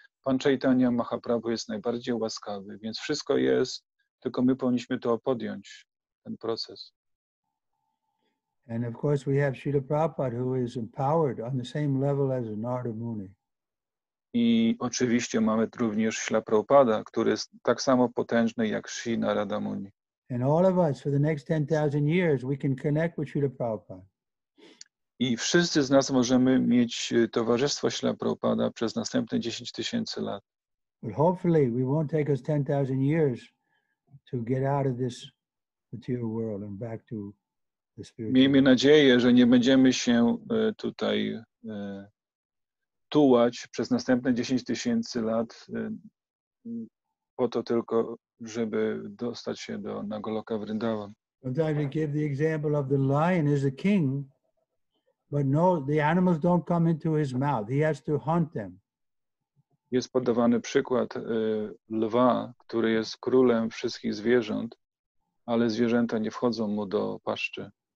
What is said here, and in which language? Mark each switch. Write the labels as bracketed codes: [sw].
[pl] Pan Chaitanya Mahaprabhu jest najbardziej łaskawy, więc wszystko jest, tylko my powinniśmy to podjąć, ten proces. [en] And of course we have Srila Prabhupada, who is empowered on the same level as Narada Muni. [pl] I oczywiście mamy również Śla Prabhupada, który jest tak samo potężny jak Śri Narada Muni. [en] And all of us for the next 10,000 years we can connect with Srila Prabhupada. [pl] I wszyscy z nas możemy mieć towarzystwo Śla Prabhupada przez następne 10 tysięcy lat. [en] But hopefully we won't take us 10,000 years to get out of this material world and back to the spiritual. [pl] Miejmy nadzieję, że nie będziemy się tutaj tułać przez następne 10 tysięcy lat po to tylko, żeby dostać się do Goloka Vrindavan. [en] Sometimes you give the example of the lion is a king. But no, the animals don't come into his mouth. He has to hunt them. [pl] Jest podawany przykład lwa, który jest królem wszystkich zwierząt, ale zwierzęta nie wchodzą mu do paszczy.